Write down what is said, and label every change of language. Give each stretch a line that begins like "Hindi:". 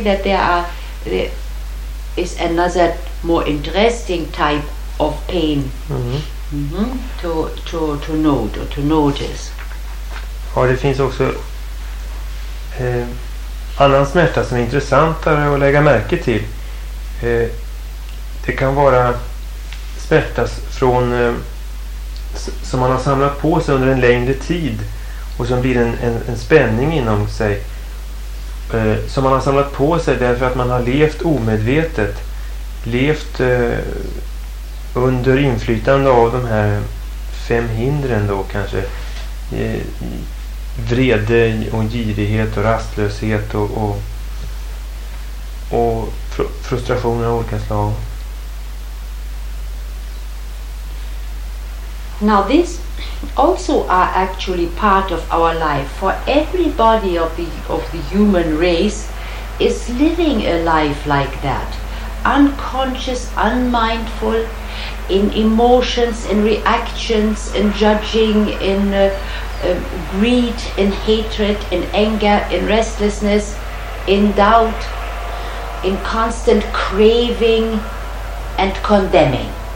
English: that there is another more interesting type of pain to note or to notice.
Swedish: Ja, det finns också annan smärta som är intressantare att lägga märke till. Det kan vara smärta från som man har samlat på sig under en längre tid och som blir en spänning inom sig. Som man har samlat på sig därför att man har levt omedvetet. Levt under inflytande av de här fem hindren då kanske. Vrede och girighet och rastlöshet och frustrationer av olika slag.
English: Now this also are actually part of our life. For everybody of the human race is living a life like that, unconscious, unmindful, in emotions, in reactions, in judging, in greed, in hatred, in anger, in restlessness, in doubt, in constant craving and condemning.